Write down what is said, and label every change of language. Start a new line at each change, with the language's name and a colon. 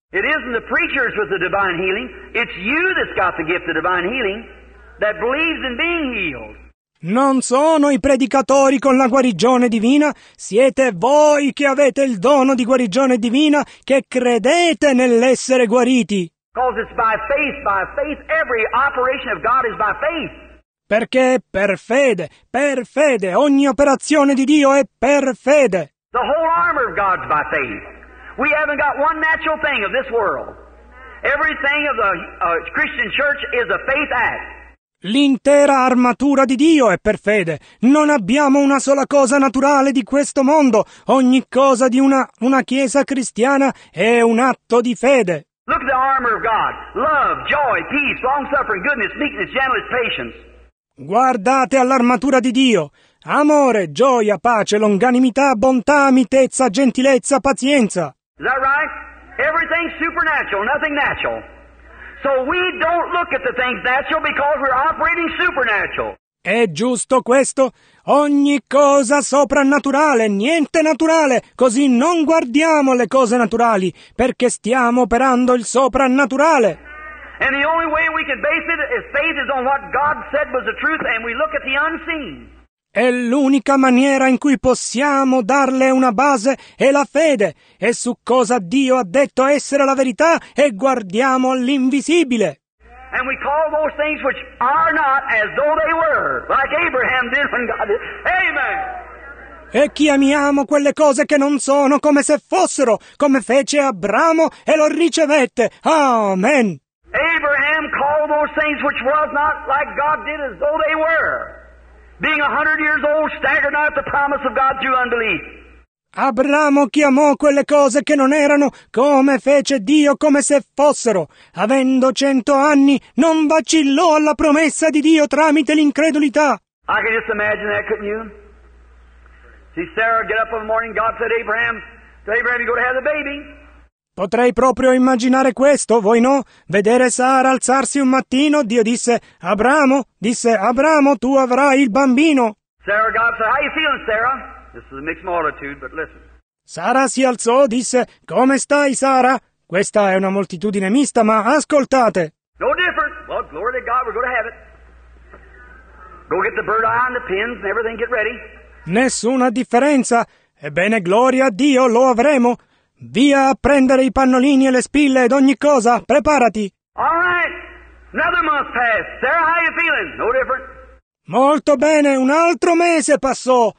English: It isn't the preachers with the divine healing, it's you that's got the gift of divine healing that believes in being healed.
Italian: Non sono i predicatori con la guarigione divina, siete voi che avete il dono di guarigione divina che credete nell'essere guariti.
English: Because it's by faith, every operation of God is by faith.
Italian: Perché per fede, ogni operazione di Dio è per fede.
English: The whole armor of God's by faith. We haven't got one natural thing of this world. Everything of the Christian church is a faith act.
Italian: L'intera armatura di Dio è per fede. Non abbiamo una sola cosa naturale di questo mondo. Ogni cosa di una chiesa cristiana è un atto di fede.
English: Look at the armor of God. Love, joy, peace, long-suffering, goodness, meekness, gentleness, patience.
Italian: Guardate all'armatura di Dio. Amore, gioia, pace, longanimità, bontà, mitezza, gentilezza, pazienza.
English: Is that right? Everything's supernatural, nothing natural. So we don't look at the things natural because we're operating supernatural.
Italian: È giusto questo? Ogni cosa soprannaturale, niente naturale, così non guardiamo le cose naturali, perché stiamo operando il soprannaturale.
English: And the only way we can base it is faith is on what God said was the truth and we look at the unseen.
Italian: E l'unica maniera in cui possiamo darle una base è la fede, e su cosa Dio ha detto essere la verità, e guardiamo all'invisibile.
English: And we call those things which are not as though they were, like Abraham did when God did. Amen.
Italian: E chiamiamo quelle cose che non sono come se fossero, come fece Abramo e lo ricevette. Amen.
English: Abraham called those things which was not like God did as though they were. Being 100 years old, staggered not at the promise of God through unbelief.
Italian: Abramo chiamò quelle cose che non erano, come fece Dio, come se fossero. Avendo 100 anni, non vacillò alla promessa di Dio tramite l'incredulità.
English: I can just imagine that, couldn't you? See, Sarah, get up in the morning, God said, Abraham, to Abraham, you go to have the baby.
Italian: Potrei proprio immaginare questo, voi no? Vedere Sara alzarsi un mattino, Dio disse, Abramo, tu avrai il bambino.
English: Sarah, God said, how you feeling, Sarah? This is a mixed multitude, but listen.
Italian: Sara si alzò, disse, come stai, Sara? Questa è una moltitudine mista, ma ascoltate.
English: No difference. Well, glory to God, we're going to have it. Go get the bird eye and the pins and everything, get ready.
Italian: Nessuna differenza. Ebbene, gloria a Dio, lo avremo. Via a prendere i pannolini e le spille ed ogni cosa, preparati.
English: All right. Another month passed. Sarah, how you feeling? No different.
Italian: Molto bene, un altro mese passò.